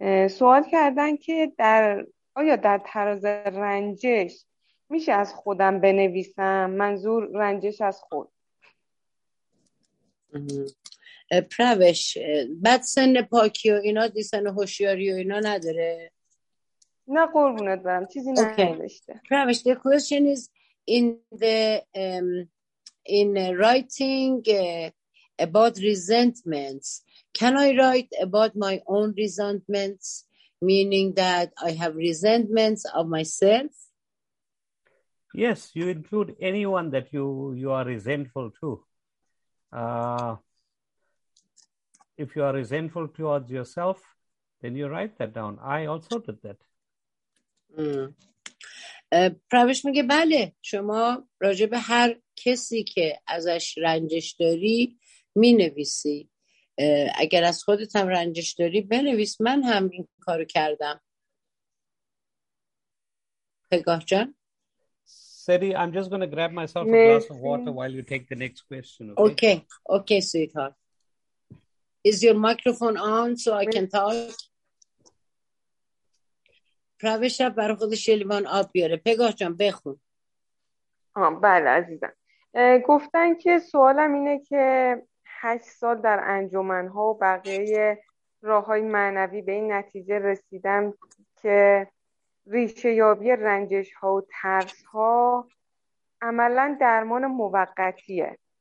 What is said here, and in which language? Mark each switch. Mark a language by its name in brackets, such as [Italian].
[Persian] سوال کردن که آیا در تراز رنجش میشه از خودم بنویسم؟ منظور رنجش از خود. پروش بعد سن پاکی و اینا دیسن و هوشیاری و اینا نداره؟ نه قربونت برم، چیزی نداشته. [English] پروش the question is in writing about resentments, can I write about my own resentments, meaning that I have resentments of myself? Yes, you include anyone that you are resentful to. If you are resentful towards yourself, then you write that down. I also did that. [Persian] پروش میگه بله، شما راجع به هر کسی که ازش رنجش داری می نویسی. اگر از خودت هم رنجش داری بنویس. من هم این کارو کردم. پگاه جان [English] سری، I'm just going to grab myself a glass of water while you take the next question. Okay sweetheart. Is your microphone on so I can talk? [Persian] پروش شب برای خودش لیوان آب بیاره. پگاه جان بخون. بله عزیزم. گفتن که سوالم اینه که 8 سال در انجمن ها و بقیه راه های معنوی به این نتیجه رسیدم که ریشه یابی رنجش ها و ترس ها عملا درمان موقتیه